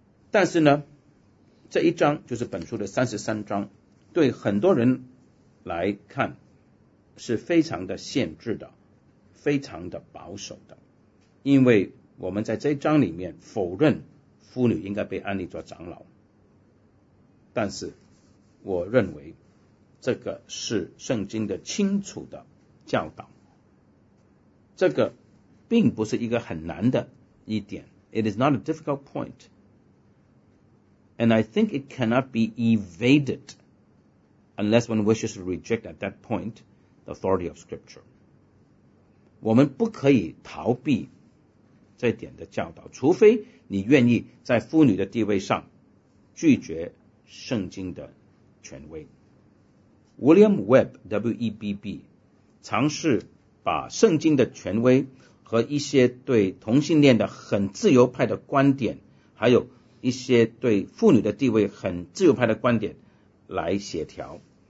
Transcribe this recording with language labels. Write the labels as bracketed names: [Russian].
[Chinese] 但是呢，这一章就是本书的33章，对很多人来看是非常的限制的，非常的保守的，因为我们在这一章里面否认妇女应该被安立做长老。但是我认为这个是圣经的清楚的教导，这个并不是一个很难的一点。 [English] It is not a difficult point and I think it cannot be evaded unless one wishes to reject at that point the authority of scripture. [Chinese] 我们不可以逃避这点的教导，除非你愿意在妇女的地位上拒绝圣经的权威。 William Webb W-E-B-B 尝试把圣经的权威和一些对同性恋的很自由派的观点，还有一些对妇女的地位很自由派的观点来协调。